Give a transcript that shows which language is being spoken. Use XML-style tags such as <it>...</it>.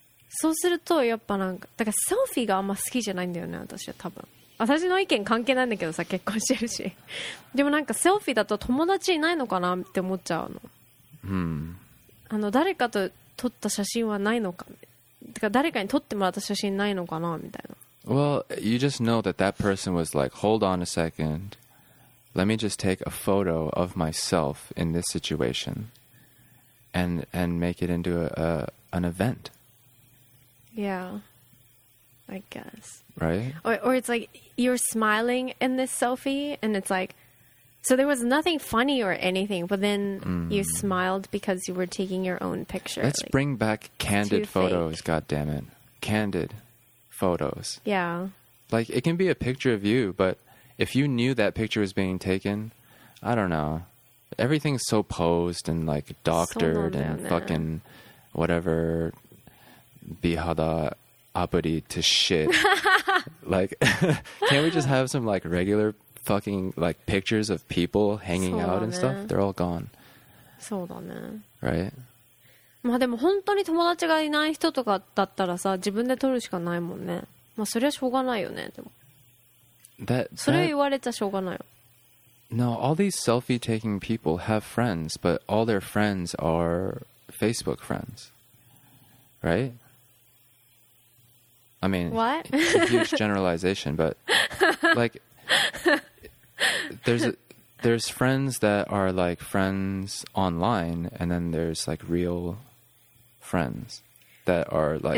<ja>そうするとやっぱなんかだからセルフィーがあんま好きじゃないんだよね私は多分私の意見関係ないんだけどさ結婚してるしでもなんかセルフィーだと友達いないのかなって思っちゃうの、うん、あの誰かと撮った写真はないのかだから誰かに撮ってもらった写真ないのかなみたいな</ja> <en>Well, you just know that that person was like, hold on a second. Let me just take a photo of myself in this situation and make it into an event. Yeah, I guess. Right? Or it's like you're smiling in this selfie and it's like, so there was nothing funny or anything, but then you smiled because you were taking your own picture. Let's like, bring back candid photos, goddammit. Candid. Photos. Yeah. Like, it can be a picture of you, but if you knew that picture was being taken, I don't know. Everything's so posed and, like, doctored and fucking whatever.</en> <ja>美肌 apuri</ja> <en>to shit. Like, can't we just have some, like, regular fucking, like, pictures of people hanging out and stuff? They're all gone.</en> <ja>そうだね。</ja> <en>Right?</en> <ja>まあでも本当に友達がいない人とかだったらさ自分で撮るしかないもんねまあそれはしょうがないよねでも</ja> <en>that,</en> <ja>それ言われちゃしょうがないよ</ja> <en>No, all these selfie taking people have friends but all their friends are Facebook friends right? I mean What? It's a huge generalization but like there's friends that are like friends online and then there's like real friends that are like</en>